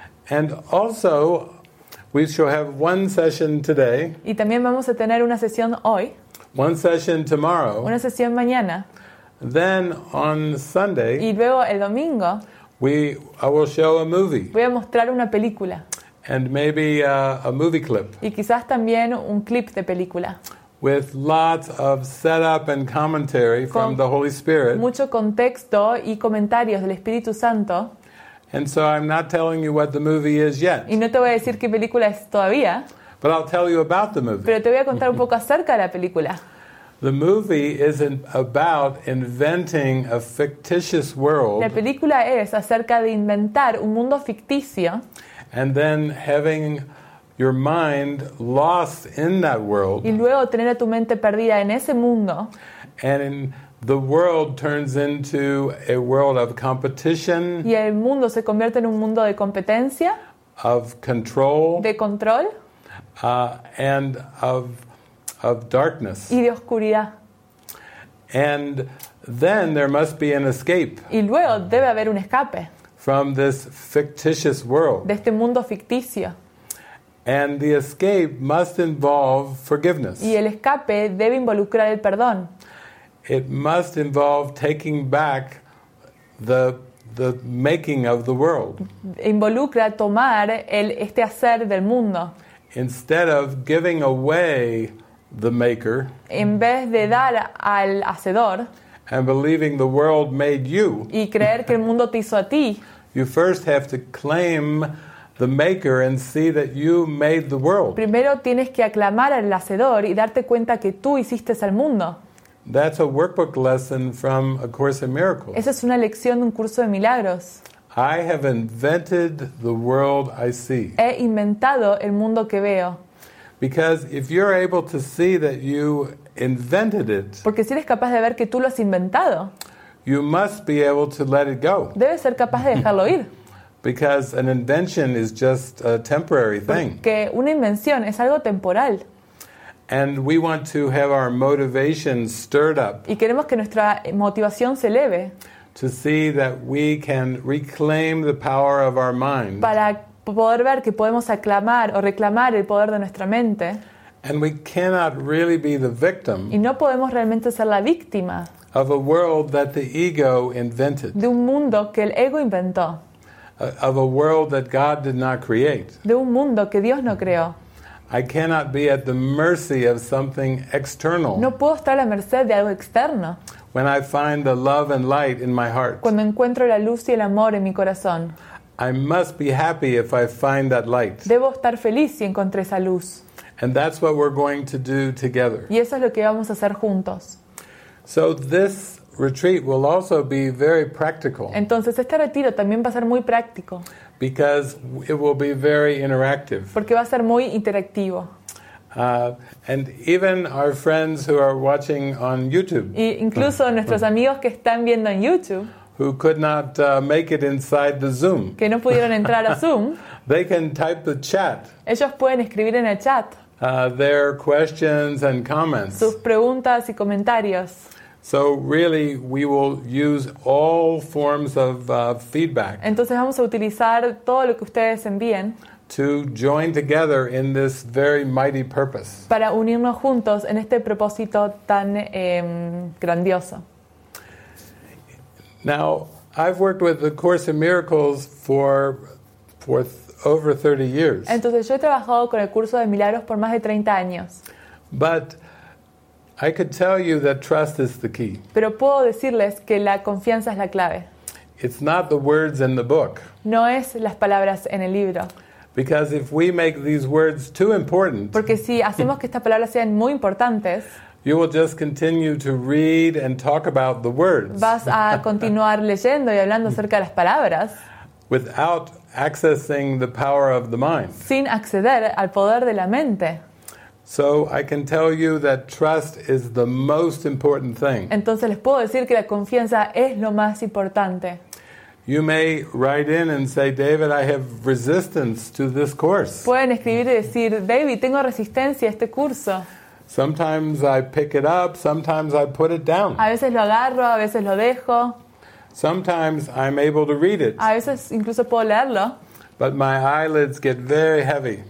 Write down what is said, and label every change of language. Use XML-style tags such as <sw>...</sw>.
<en>And also we shall have one session today.</en> <es>Y también vamos a tener una sesión hoy.</es> <en>One session tomorrow.</en> <es>Una sesión mañana.</es> <en>Then on Sunday.</en> <es>Y luego el domingo.</es> <en>I will show a movie.</en> <es>Voy a mostrar una película.</es> <en>And maybe a movie clip.</en> <es>Y quizás también un clip de película.</es> <en>With lots of setup and commentary from the Holy Spirit.</en> <es>Mucho contexto y comentarios del Espíritu Santo.</es> <en>And so I'm not telling you what the movie is yet.</en> <es>Y no te voy a decir qué película es todavía.</es> <en>But I'll tell you about the movie.</en> <es>Pero te voy a contar un poco acerca de la película.</es> <en>The movie is about inventing a fictitious world.</en> <es>La película es acerca de inventar un mundo ficticio.</es> <en>And then having your mind lost in that world.</en> <es>Y luego tener a tu mente perdida en ese mundo.</es> <en>And the world turns into a world of competition.</en> <es>Y el mundo se convierte en un mundo de competencia.</es> <en>Of control.</en> <es>De control.</es> <en>And of darkness.</en> <es>Y de oscuridad.</es> <en>And then there must be an escape.</en> <es>Y luego debe haber un escape.</es> <en>From this fictitious world.</en> <es>De este mundo ficticio.</es> <en>And the escape must involve forgiveness.</en> <es>Y el escape debe involucrar el perdón.</es> <en>It must involve taking back the making of the world.</en> <es>Involucra tomar este hacer del mundo.</es> <en>Instead of giving away the maker.</en> <es>En vez de dar al hacedor.</es> <en>And believing the world made you.</en> <es>Y creer que el mundo te hizo a ti.</es> <en>You first have to claim the maker and see that you made the world.</en> <es>Primero tienes que aclamar al hacedor y darte cuenta que tú hiciste al mundo.</es> <en>That's a workbook lesson from A Course in Miracles.</en> <es>Esa es una lección de un curso de milagros.</es> <en>I have invented the world I see.</en> <es>He inventado el mundo que veo.</es> <en>Because if you're able to see that you invented it,</en> <es>porque si eres capaz de ver que tú lo has inventado,</es> <en>you must be able to let it go.</en> <es>Debes ser capaz de dejarlo ir.</es> <en>Because an invention is just a temporary thing.</en> <es>Que una invención es algo temporal.</es> <en>And we want to have our motivation stirred up.</en> <es>Y queremos que nuestra motivación se eleve.</es> <en>To see that we can reclaim the power of our mind.</en> <es>Para poder ver que podemos aclamar o reclamar el poder de nuestra mente.</es> <en>And we cannot really be the victim.</en> <es>Y no podemos realmente ser la víctima.</es> <en>Of a world that the ego invented.</en> <es>De un mundo que el ego inventó.</es> <en>Of a world that God did not create.</en> <es>De un mundo que Dios no creó.</es> <en>I cannot be at the mercy of something external.</en> <es>No puedo estar a la merced de algo externo.</es> <en>When I find the love and light in my heart.</en> <es>Cuando encuentro la luz y el amor en mi corazón.</es> <en>I must be happy if I find that light.</en> <es>Debo estar feliz si encontré esa luz.</es> <en>And that's what we're going to do together.</en> <es>Y eso es lo que vamos a hacer juntos.</es> <en>So this retreat will also be very practical.</en> <es>Entonces este retiro también va a ser muy práctico.</es> <en>Because it will be very interactive.</en> <es>Porque va a ser muy interactivo.</es> <en>And even our friends who are watching on YouTube.</en> <es>Y incluso nuestros amigos que están viendo en YouTube.</es> <en>Who could not make it inside the Zoom.</en> <es>Que no pudieron entrar a Zoom.</es> <en>They can type the chat.</en> <es>Ellos pueden escribir en el chat.</es> <en>Their questions and comments.</en> <es>Sus preguntas y comentarios.</es> <en>So really, we will use all forms of feedback.</en> <es>Entonces vamos a utilizar todo lo que ustedes envíen.</es> <en>To join together in this very mighty purpose.</en> <es>Para unirnos juntos en este propósito tan grandioso.</es> <en>Now, I've worked with the Course in Miracles for over 30 years.</en> <es>Entonces yo he trabajado con el curso de milagros por más de 30 años.</es> <en>But I could tell you that trust is the key.</en> <es>Pero puedo decirles que la confianza es la clave.</es> <en>It's not the words in the book.</en> <es>No es las palabras en el libro.</es> <en>Because if we make these words too important,</en> <es>porque si hacemos que estas palabras sean muy importantes,</es> <en>you will just continue to read and talk about the words.</en> <es>Vas a continuar leyendo y hablando acerca de las palabras.</es> <en>Without accessing the power of the mind.</en> <es>Sin acceder al poder de la mente.</es> <en>So I can tell you that trust is the most important thing.</en> <es>Entonces les puedo decir que la confianza es lo más importante.</es> <en>You may write in and say, David, I have resistance to this course.</en> <es>Pueden escribir y decir, David, tengo resistencia a este curso.</es> <en>Sometimes I pick it up, sometimes I put it down.</en> <es>A veces lo agarro, a veces lo dejo.</es> <en>Sometimes I'm able to read it.</en> <es>A veces incluso puedo leerlo.</es> <en>But my eyelids get very heavy.</en>